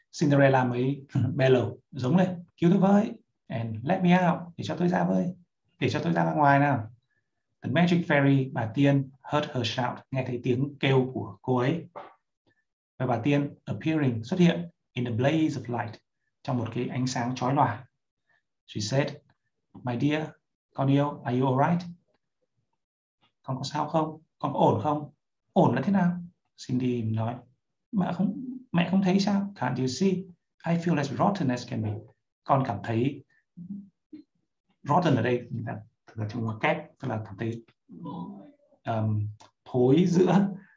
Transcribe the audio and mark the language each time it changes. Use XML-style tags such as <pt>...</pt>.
<vi>Cinderella mới bellow, giống lên, cứu tôi với,</vi> <en>and let me out,</en> <vi>để cho tôi ra với, để cho tôi ra ngoài nào.</vi> <en>The magic fairy,</en> <vi>bà tiên,</vi> <en>heard her shout,</en> <vi>nghe thấy tiếng kêu của cô ấy. Và bà tiên, appearing, xuất hiện,</vi> <en>in a blaze of light,</en> <vi>trong một cái ánh sáng chói lòa.</vi> <en>She said, my dear,</en> <vi>con yêu,</vi> <en>are you alright?</en> <vi>Con có sao không? Con có ổn không? Ổn là thế nào? Cindy nói, mẹ không thấy sao?</vi> <en>Can't you see? I feel as rotten as can be.</en> <vi>Con cảm thấy rotten ở đây là trong một kép, tức là cảm thấy thối giữa.</vi>